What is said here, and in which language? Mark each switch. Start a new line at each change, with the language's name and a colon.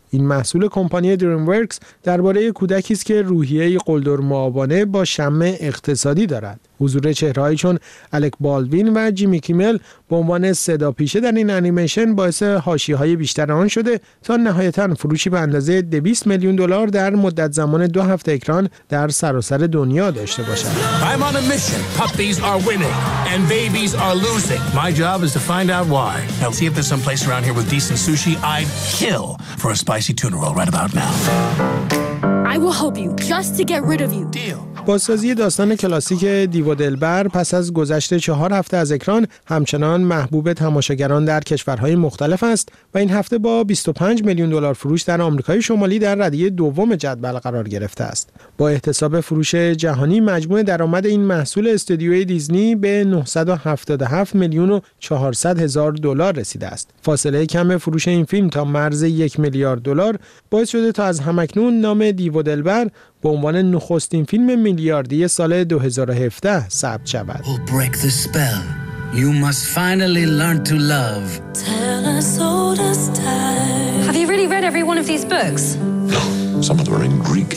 Persian: این محصول کمپانی دریم ورکس درباره کودکی است که روحیه‌ای قلدر معابانه با شمع اقتصادی دارد. حضور چهره‌ای چون الک بالدوین و جیمی کیمل به عنوان صدا پیشه در این انیمیشن باعث حاشیه‌های بیشتر آن شده تا نهایتاً فروشی به اندازه 200 میلیون دلار در مدت زمان 2 هفته اکران در سراسر دنیا داشته باشد.
English: I'm on a mission. Puppies are winning and babies are losing. My job is to find out why. Now see if there's some place around here with decent sushi. I'd kill for a spicy tuna roll right about now. I will help you just to get rid of you. Deal.
Persian: بازسازی داستان کلاسیک دیو و دلبر پس از گذشت 4 هفته از اکران همچنان محبوب تماشاگران در کشورهای مختلف است و این هفته با 25 میلیون دلار فروش در آمریکای شمالی در ردیه دوم جدول قرار گرفته است. با احتساب فروش جهانی مجموع درآمد این محصول استودیوی دیزنی به 977 میلیون و 400 هزار دلار رسیده است. فاصله کم فروش این فیلم تا مرز 1 میلیارد دلار باعث شده تا از همکنون نام دیو و دلبر به عنوان نخستین فیلم میلیاردی سال 2017 ثبت شود.
English: We'll break the spell. You must finally learn to love. Tell us all the time. Have you really read every one of these books? Some of them are in Greek.